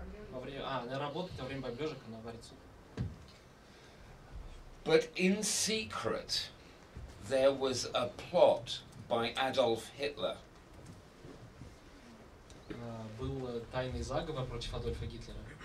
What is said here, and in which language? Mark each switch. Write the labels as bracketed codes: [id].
[ru] Во время, она работает во время бомбежек, она варит суп. [en] But in secret there was a plot by Adolf Hitler. [ru] Был тайный заговор против Адольфа Гитлера.